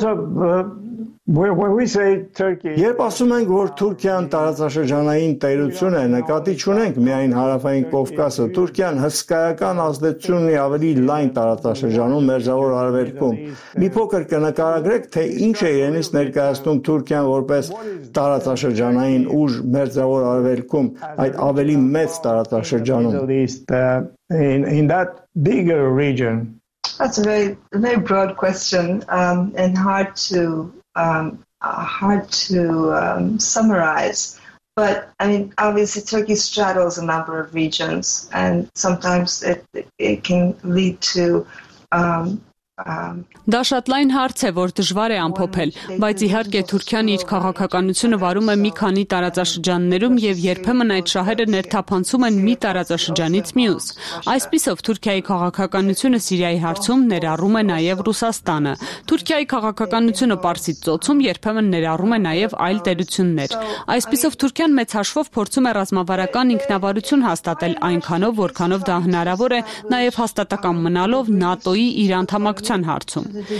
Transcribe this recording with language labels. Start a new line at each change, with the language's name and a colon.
Armenian: Երբ ասում ենք, որ Թուրքիան տարածաշրջանային տերություն է, նկատի չունենք միայն հարավային Կովկասը, Թուրքիան հսկայական ազդեցություն ունի ավելի լայն տարածաշրջանում մերձավոր արևելքում։ Մի փոքր կնկարագրեք, թե ինչ է իրենից ներկայացնում Թուրքիան որպես տարածաշրջանային ուժ մերձավոր արևելքում, այդ ավելի մեծ տարածաշրջանում։
English: That's a very broad question and hard to summarize. But I mean, obviously, Turkey straddles a number of regions, and sometimes it can lead to.
Armenian: Դա շատ լայն հարց է, որ դժվար է ամփոփել, բայց իհարկե Թուրքիան իր քաղաքականությունը վարում է մի քանի տարածաշրջաններում եւ երբեմն այդ շահերը ներթափանցում են մի տարածաշրջանից մյուս։ Այսպիսով Թուրքիայի քաղաքականությունը Սիրիայի հարցում ներառում է նաեւ Ռուսաստանը։ Թուրքիայի քաղաքականությունը Պարսից ծոցում երբեմն ներառում է նաեւ այլ տերություններ։ Այսպիսով Թուրքիան մեծ հաշվով փորձում է ռազմավարական ինքնավարություն հաստատել այնքանով, որքանով դա հնարավոր է, նաեւ հաստատակամ մնալով ՆԱՏՕ-ի իր անդամակ չան հարցում։